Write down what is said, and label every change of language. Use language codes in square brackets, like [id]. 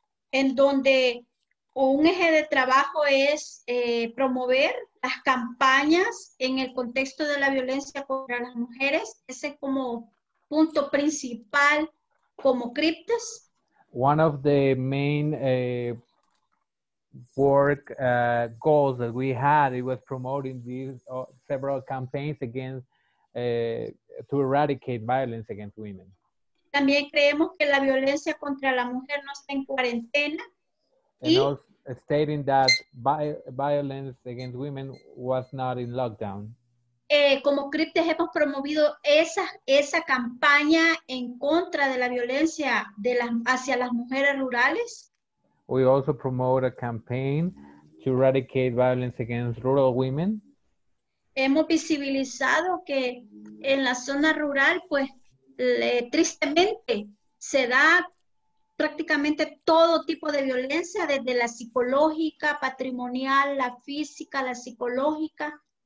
[es] En donde un eje de trabajo es promover las campañas en el contexto de la violencia contra las mujeres. Ese es como punto principal como CRIPTES. [en] One of the main work goals that we had, it was promoting these several campaigns against to eradicate violence against women. [es] También creemos que la violencia contra la mujer no está en cuarentena. [en] And also stating that violence against women was not in lockdown. [es] Como CRIPTES hemos promovido esa campaña en contra de la violencia hacia las mujeres rurales. [en] We also promote a campaign to eradicate violence against rural women. [es] Hemos visibilizado que en la zona rural, pues, tristemente, se da prácticamente todo tipo de violencia, desde la psicológica, patrimonial, la física, la psicológica.